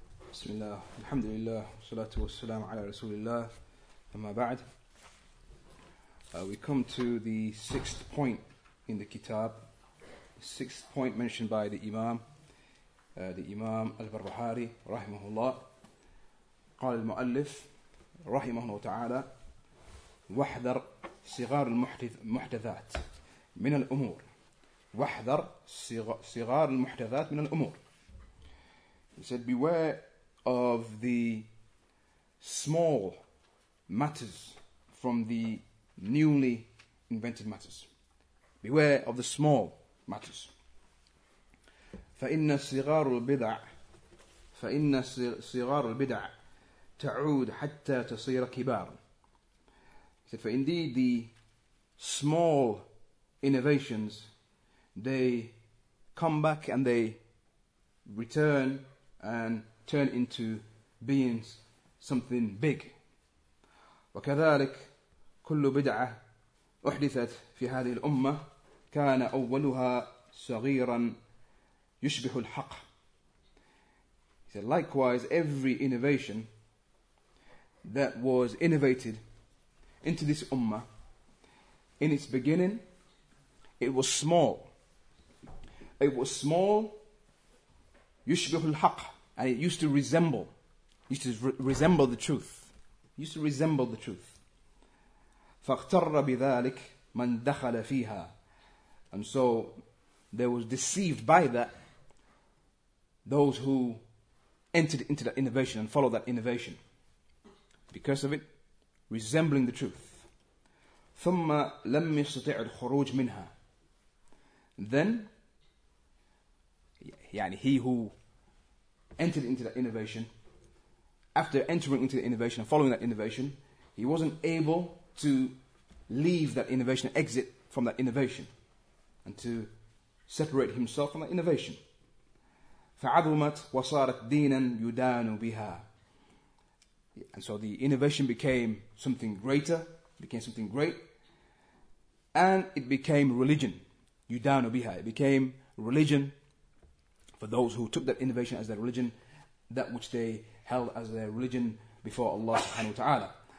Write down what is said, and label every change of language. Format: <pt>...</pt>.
<ar>بسم الله الحمد لله والصلاة والسلام على رسول الله أما بعد.</ar> <en>We come to the sixth point in the kitab, the sixth point mentioned by the Imam Al-Barbahari rahimahullah.</en> <ar>قال المؤلف رحمه الله تعالى واحذر صغار المحدثات من الأمور. واحذر صغار المحدثات من الأمور.</ar> <en>He said, beware of the small matters from the newly invented matters. Beware of the small matters.</en> <ar>فإن صغار البدع فإن صغار البدع تعود حتى تصير كبار.</ar> <en>He said, for indeed the small innovations, they come back and they return and turn into being something big.</en> <ar>وكذلك كل بدعة أحدثت في هذه الأمة كان أولها صغيرا يشبه الحق.</ar> <en>He said, likewise, every innovation that was innovated into this Ummah, in its beginning, it was small. It was small,</en> <ar>يشبه الحق.</ar> <en>And it used to resemble the truth. It used to resemble the truth.</en> <ar>فاغتر بذلك من دخل فيها.</ar> <en>And so they were deceived by that, those who entered into that innovation and followed that innovation. Because of it, resembling the truth.</en> <ar>ثم لم يستطع الخروج منها.</ar> <en>Then, يعني he who entered into that innovation, after entering into the innovation and following that innovation, he wasn't able to leave that innovation, exit from that innovation, and to separate himself from that innovation.</en> <ar>فعظمت وصارت دينا يدان بها.</ar> <en>And so the innovation became something greater, became something great, and it became religion.</en> <ar>Yudanu biha.</ar> <en>It became religion for those who took that innovation as their religion, that which they held as their religion before Allah subhanahu wa ta'ala.</en>